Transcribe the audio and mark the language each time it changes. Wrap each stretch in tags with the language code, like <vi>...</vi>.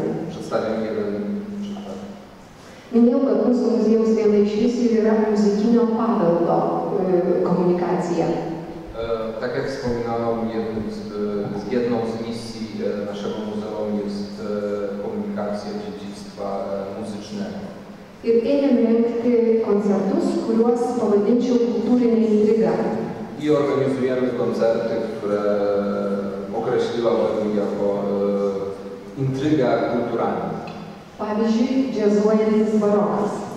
<pl>Przedstawiam jeden przykład.</pl> <lt>Minėjau, kad mūsų muziejaus viena iš misijų yra muzikinio paveldo komunikacija.</lt> <pl>Tak jak wspominałam, jedną z misji naszego muzeum jest komunikacja dziedzictwa muzycznego.</pl> <lt>Ir ėmėm rengti koncertus, kuriuos pavadinčiau kultūrinė intriga.</lt> <pl>I organizujemy koncerty, które określiłabym jako intriga kulturalna.</pl> <lt>Pavyzdžiui, džiazuojantis barokas.</lt>